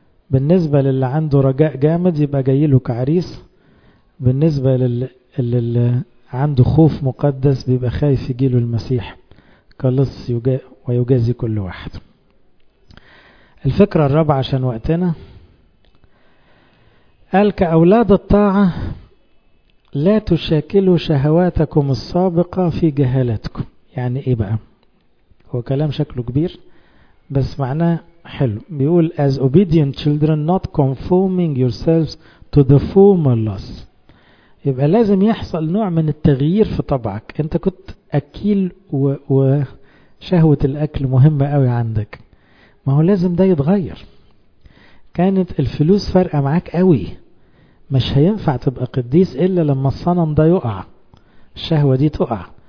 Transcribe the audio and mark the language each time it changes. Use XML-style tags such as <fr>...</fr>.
<ar>بالنسبة للي عنده رجاء جامد يبقى جاي له كعريس، بالنسبة للي عنده خوف مقدس بيبقى خايف يجي له المسيح كلص ويجازي كل واحد. الفكرة الرابعة عشان وقتنا، قال كأولاد الطاعة لا تشاكلوا شهواتكم السابقة في جهالتكم. يعني ايه بقى؟ هو كلام شكله كبير بس معناه حلو. بيقول</ar> <en>as obedient children not conforming yourselves to the former lust.</en> <ar>يبقى لازم يحصل نوع من التغيير في طبعك. انت كنت اكيل وشهوة الاكل مهمة قوي عندك، ما هو لازم ده يتغير. كانت الفلوس فارقة معاك قوي، مش هينفع تبقى قديس الا لما الصنم ده يقع، الشهوة دي تقع.</ar>